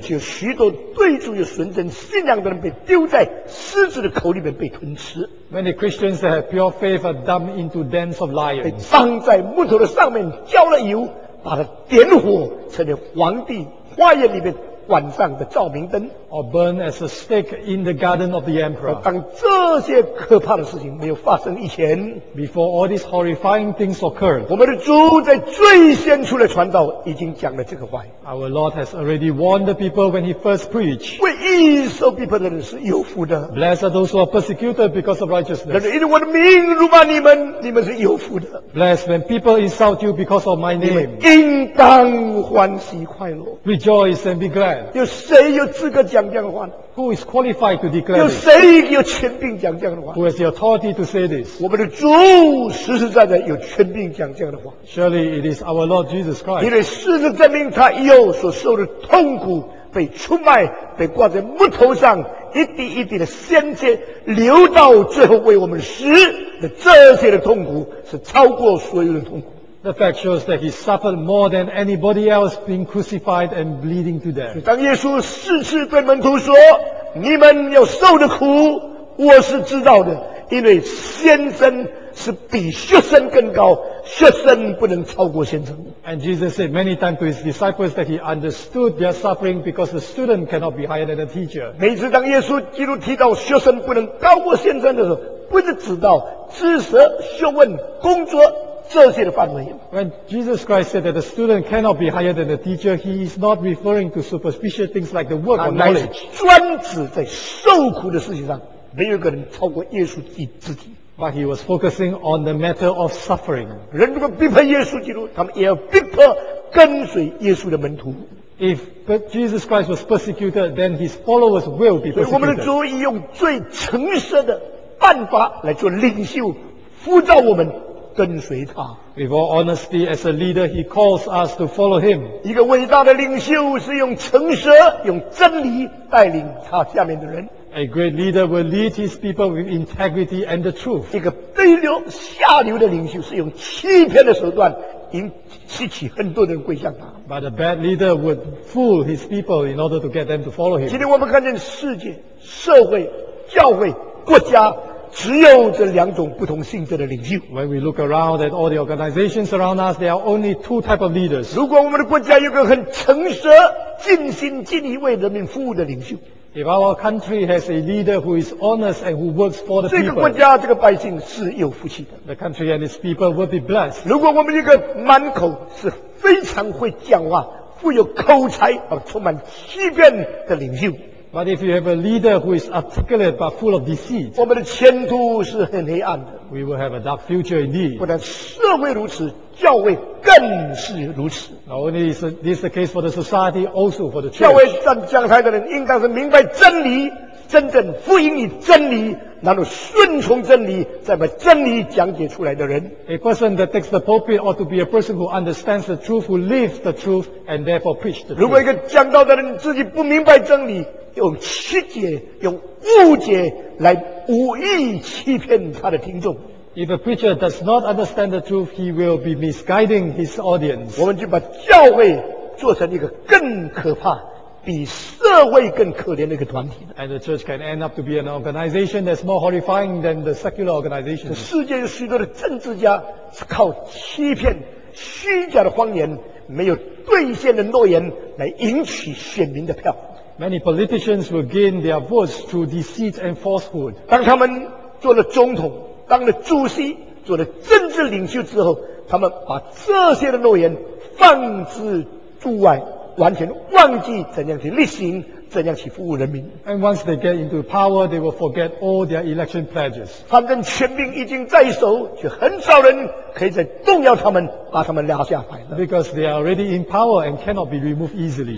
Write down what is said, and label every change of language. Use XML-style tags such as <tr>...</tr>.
<zh>就有许多对主有纯真信仰的人被丢在狮子的口里面被吞吃。</zh> <en>Many Christians that have pure faith are dumped into dens of lions。</en> <zh>被放在木头的上面浇了油，把它点火，成为皇帝花园里面晚上的照明灯。</zh> <en>Or burn as a stake in the garden of the emperor。</en> <zh>当这些可怕的事情没有发生以前</zh> <en>，before all these horrifying things occurred，</en> <zh>我们的主在最先出来传道，已经讲了这个话。</zh> <en>Our Lord has already warned the people when he first preached。</en> <zh>为义受逼迫的人是有福的。</zh> <en>Blessed are those who are persecuted because of righteousness。</en> <zh>因为我的名辱骂你们，你们是有福的。</zh> <en>Blessed when people insult you because of my name。</en> <zh>你们应当欢喜快乐。</zh> <en>Rejoice and be glad。</en> <zh>有谁有资格？讲这样的话呢？</zh> <en>Who is qualified to declare?</en> <zh>有谁有权柄讲这样的话？</zh> <en>Who has the authority to say this?</en> <zh>我们的主实实在在有权柄讲这样的话。</zh> <en>Surely it is our Lord Jesus Christ.</en> <zh>因为事实证明他有所受的痛苦，被出卖，被挂在木头上，一滴一滴的鲜血流到最后为我们死的这些的痛苦，是超过所有的痛苦。</zh> <en>The fact shows that he suffered more than anybody else being crucified and bleeding to death.</en> <zh>当耶稣四次对门徒说，你们要受的苦，我是知道的，因为先生是比学生更高，学生不能超过先生。</zh> <en>And Jesus said many times to his disciples that he understood their suffering because the student cannot be higher than the teacher.</en> <zh>每次当耶稣基督提到学生不能高过先生的时候，不是指到知识、学问、工作这些的范围。</zh> <en>When Jesus Christ said that a student cannot be higher than a teacher, he is not referring to superficial things like the work or knowledge.</en> <zh>专指在受苦的事情上，没有一个人超过耶稣自己。</zh> <en>But he was focusing on the matter of suffering.</en> <zh>人如果逼迫耶稣基督，他们也要逼迫跟随耶稣的门徒。</zh> <en>If Jesus Christ was persecuted, then his followers will be persecuted.</en> <zh>所以我们的主以用最诚实的办法来做领袖，辅导我们。跟随他。</zh> <en>With all honesty, as a leader, he calls us to follow him.</en> <zh>一个伟大的领袖是用诚实、用真理带领他下面的人。</zh> <en>A great leader will lead his people with integrity and the truth.</en> <zh>一个卑劣、下流的领袖是用欺骗的手段，引起很多人归向他。</zh> <en>But a bad leader would fool his people in order to get them to follow him.</en> <zh>今天我们看见世界、社会、教会、国家。只有这两种不同性质的领袖。</zh> <en>When we look around at all the organizations around us, there are only two types of leaders.</en> <zh>如果我们的国家有个很诚实、尽心尽力为人民服务的领袖</zh> <en>，If our country has a leader who is honest and who works for the people,</en> <zh>这个国家、这个百姓是有福气的。</zh> <en>The country and its people will be blessed.</en> <zh>如果我们一个满口是非常会讲话、富有口才而充满欺骗的领袖。</zh> <en>But if you have a leader who is articulate but full of deceit,</en> <zh>我们的前途是很黑暗的。</zh> <en>We will have a dark future indeed.</en> <zh>不但社会如此，教会更是如此。</zh> <en>Not only is this the case for the society, also for the church.</en> <zh>教会站讲台的人应当是明白真理，真正福音与真理，然后顺从真理，再把真理讲解出来的人。</zh> <en>A person that takes the pulpit ought to be a person who understands the truth, who lives the truth, and therefore preach the truth.</en> <zh>如果一个讲道的人自己不明白真理，用曲解、用误解来无意欺骗他的听众。</zh> <en>If a preacher does not understand the truth, he will be misguiding his audience.</en> <zh>我们就把教会做成一个更可怕、比社会更可怜的一个团体。</zh> <en>And the church can end up to be an organization that's more horrifying than the secular organization.</en> <zh>世界有许多的政治家是靠欺骗、虚假的谎言、没有兑现的诺言来赢取选民的票。</zh> <en>Many politicians will gain their votes through deceit and falsehood.</en> <zh>当他们做了总统，当了主席，做了政治领袖之后，他们把这些的诺言放之诸外，完全忘记怎样去履行，怎样去服务人民。</zh> <en>And once they get into power, they will forget all their election pledges.</en> <zh>反正权柄已经在手，却很少人可以再动摇他们，把他们拉下台了。</zh> <en>Because they are already in power and cannot be removed easily.</en>